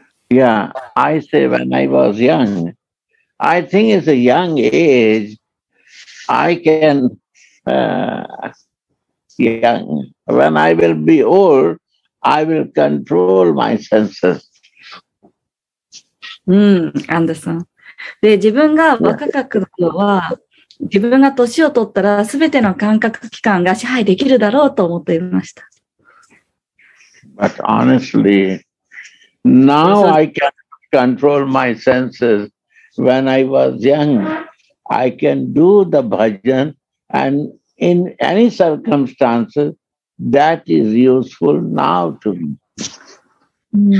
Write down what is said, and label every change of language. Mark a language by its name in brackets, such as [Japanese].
[English] Yeah, I say when I was young, I think it's a young age, I can, young. When I will be old, I will control my senses. Understand. [Japanese] で、自分が若かったのは、自分が年を取ったら全ての感覚器官が支配できるだろうと思っていました。 [English] But honestly, now I can control my senses. When I was young, I can do the bhajan and in any circumstances, that is useful now to me.